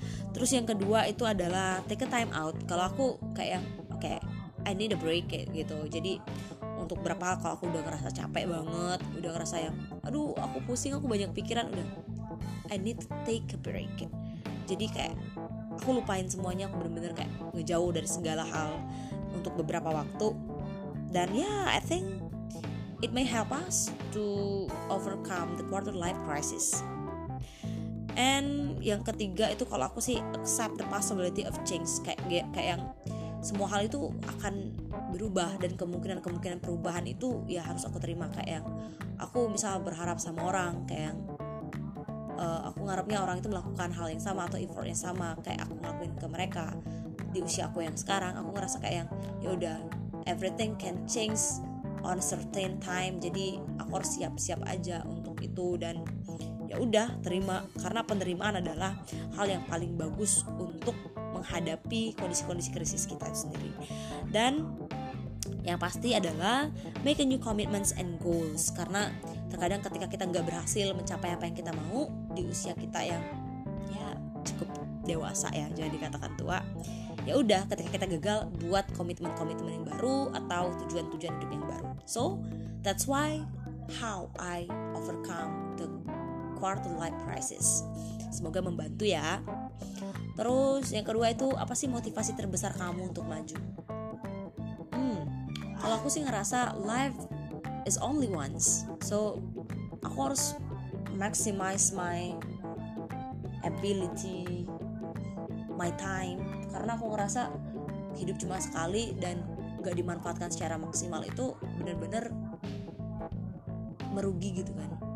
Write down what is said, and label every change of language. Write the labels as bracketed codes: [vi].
[id] Terus yang kedua itu adalah [en] take a time out. [id] Kalau aku kayak [en] okay, I need a break [id] gitu. Jadi untuk berapa hal kalau aku udah ngerasa capek banget, udah ngerasa yang aduh aku pusing, aku banyak pikiran, udah [en] I need to take a break. [id] Jadi kayak aku lupain semuanya, aku bener-bener kayak ngejauh dari segala hal untuk beberapa waktu. Dan ya [en] yeah, I think it may help us to overcome the quarter life crisis. And [id] yang ketiga itu kalau aku sih [en] accept the possibility of change. [id] Kayak yang semua hal itu akan berubah, dan kemungkinan-kemungkinan perubahan itu ya harus aku terima. Kayak yang aku misal berharap sama orang, kayak yang aku ngarepnya orang itu melakukan hal yang sama atau effort yang sama kayak aku ngelakuin ke mereka di usia aku yang sekarang, aku ngerasa kayak yang yaudah, [en] everything can change on certain time, [id] jadi aku harus siap-siap aja untuk itu. Dan ya udah terima, karena penerimaan adalah hal yang paling bagus untuk menghadapi kondisi-kondisi krisis kita sendiri. Dan yang pasti adalah [en] make a new commitments and goals, [id] karena terkadang ketika kita nggak berhasil mencapai apa yang kita mau di usia kita yang ya cukup dewasa ya, jangan dikatakan tua, ya udah ketika kita gagal buat komitmen-komitmen yang baru atau tujuan-tujuan hidup yang baru. [en] So that's why how I overcome the quarter life crisis. [id] Semoga membantu ya. Terus yang kedua itu apa sih motivasi terbesar kamu untuk maju? Kalau aku sih ngerasa [en] life is only once, so [id] aku harus [en] maximize my ability, my time, [id] karena aku ngerasa hidup cuma sekali dan gak dimanfaatkan secara maksimal itu benar-benar merugi gitu kan.